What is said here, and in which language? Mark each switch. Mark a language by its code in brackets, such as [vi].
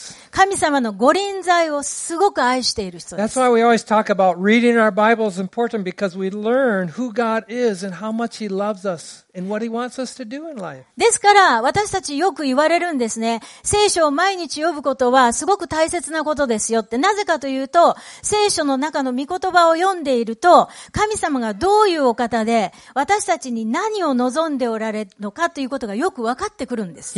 [ja] 神様の御臨在をすごく愛している人です。 [en] That's why we always talk about reading our Bible is important because we learn who God is and how much He loves us. And what he wants us to do in life. [ja] ですから私たちよく言われるんですね。聖書を毎日読むことはすごく大切なことですよって。なぜかというと、聖書の中の御言葉を読んでいると、神様がどういうお方で私たちに何を望んでおられるのかということがよく分かってくるんです。